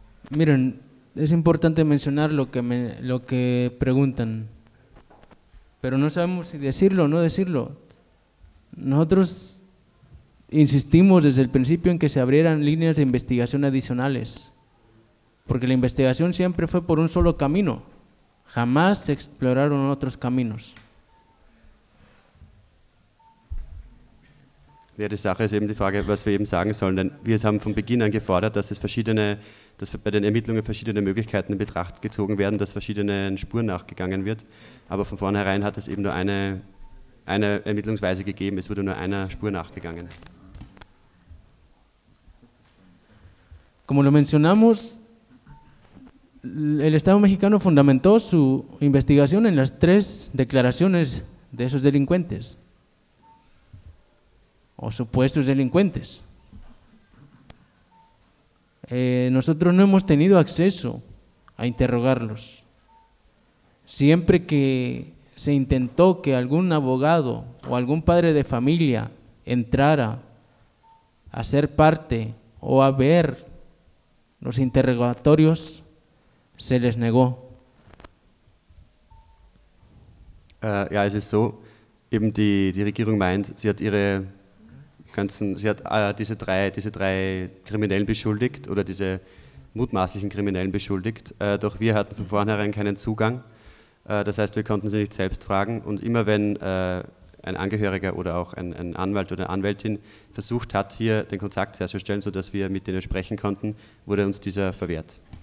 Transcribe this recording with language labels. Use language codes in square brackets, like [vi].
[es] Miren, es importante mencionar lo que preguntan, pero no sabemos si decirlo o no decirlo. Nosotros insistimos desde el principio en que se abrieran líneas de investigación adicionales, porque la investigación siempre fue por un solo camino, jamás se exploraron otros caminos. [de] Ja, die Sache ist eben die Frage, was wir eben sagen sollen. Denn wir haben von Beginn an gefordert, dass es verschiedene, dass bei den Ermittlungen verschiedene Möglichkeiten in Betracht gezogen werden, dass verschiedenen Spuren nachgegangen wird. Aber von vornherein hat es eben nur eine Ermittlungsweise gegeben. Es wurde nur einer Spur nachgegangen. [es] Como lo mencionamos, el Estado mexicano fundamentó su investigación en las tres declaraciones de esos delincuentes. O supuestos delincuentes. Nosotros no hemos tenido acceso a interrogarlos. Siempre que se intentó que algún abogado o algún padre de familia entrara a ser parte o a ver los interrogatorios, se les negó. [de] Ja, es ist so, eben die Regierung meint, sie hat ihre ganzen, sie hat diese drei Kriminellen beschuldigt oder diese mutmaßlichen Kriminellen beschuldigt, doch wir hatten von vornherein keinen Zugang. Das heißt, wir konnten sie nicht selbst fragen und immer wenn ein Angehöriger oder auch ein Anwalt oder eine Anwältin versucht hat, hier den Kontakt herzustellen, sodass wir mit denen sprechen konnten, wurde uns dieser verwehrt.